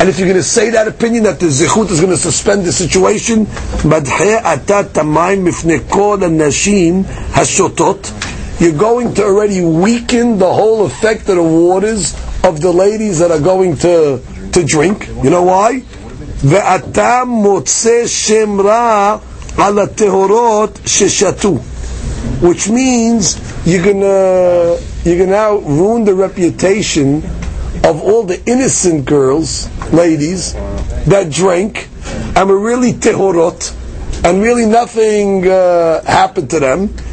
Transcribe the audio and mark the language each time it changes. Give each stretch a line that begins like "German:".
English: And if you're going to say that opinion, that the zechut is going to suspend the situation,
Hebrew: madhe ata tamayim mifne kol anashim hashotot,
English: you're going to already weaken the whole effect of the waters of the ladies that are going to drink. You know why?
Hebrew: ואתה מוצא שם רע על הטהורות ששתו.
English: Which means you're gonna ruin the reputation of all the innocent girls, ladies, that drank and were really tehorot, and really nothing happened to them.